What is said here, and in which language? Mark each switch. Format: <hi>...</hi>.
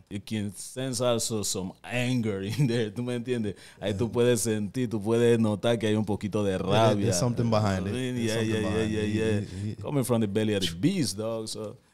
<en>You can sense also some anger in there.</en> <es>¿Tú me entiendes? Ahí tú puedes sentir, tú puedes notar que hay un poquito de rabia.</es> <en>There's something behind it. Yeah. Coming from the belly of the beast, dog, so.</en>